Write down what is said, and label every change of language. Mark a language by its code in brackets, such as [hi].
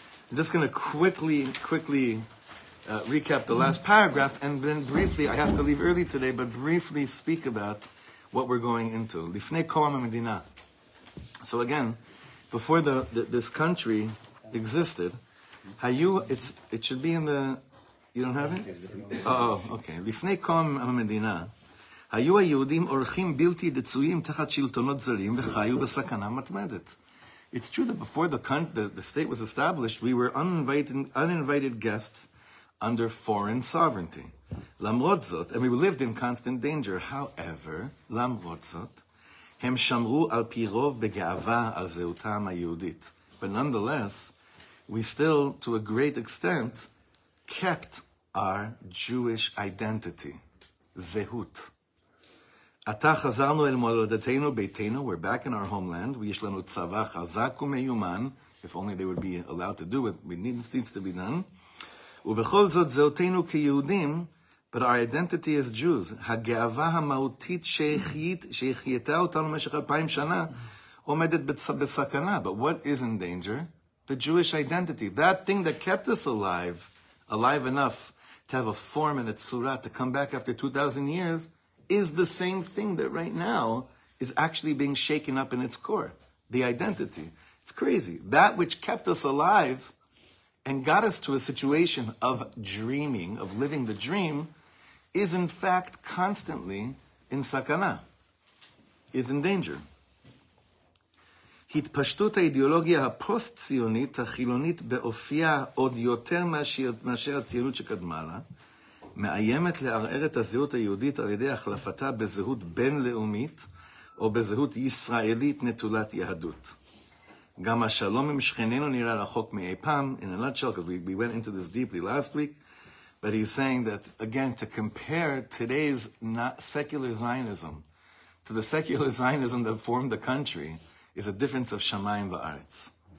[en] I'm just going to quickly recap the last paragraph, and then briefly, I have to leave early today, but briefly speak about what we're going into. [he] Lifnei Koam Medina. [en] So again, before this country existed, it should be in the... You don't have it? Oh, okay. Lifnei Koam Medina. [he] היו היהודים אורחים בלתי דצויים תחת שלטונות זרים וחיו בסכנה מתמדת. [en] It's true that before the state was established, we were uninvited guests under foreign sovereignty. [he] למרות זאת, [en] and we lived in constant danger. However, [he] למרות זאת, הם שמרו על פי רוב בגאווה על זהותם היהודית. [en] But nonetheless, we still, to a great extent, kept our Jewish identity, zehut. [he] עתה חזרנו אל מולדתנו, ביתנו, [en] we're back in our homeland, [he] ויש לנו צבא חזק ומיומן, [en] if only they would be allowed to do it, needs to be done. [he] ובכל זאת זהותנו כיהודים, [en] but our identity as Jews, [he] הגאווה המהותית שהחייתה אותנו במשך 2,000 שנה, עומדת בסכנה. [en] But what is in danger? The Jewish identity, that thing that kept us alive, alive enough to have a form and a tzura to come back after 2,000 years, is the same thing that right now is actually being shaken up in its core, the identity. It's crazy. That which kept us alive and got us to a situation of dreaming, of living the dream, is in fact constantly in sakana, is in danger. [he] התפשטות האידיאולוגיה הפוסט-ציונית החילונית באופייה עוד יותר מאשר הציונות שקדמה לה, מאיימת לערער את הזהות היהודית על ידי החלפתה בזהות בינלאומית או בזהות ישראלית נטולת יהדות. גם השלום עם שכנינו נראה רחוק מאי פעם, [en] in a nutshell, because we went into this deeply last week, but he's saying that, again, to compare today's secular Zionism to the secular Zionism that formed the country is a difference of Shamayim va'aretz.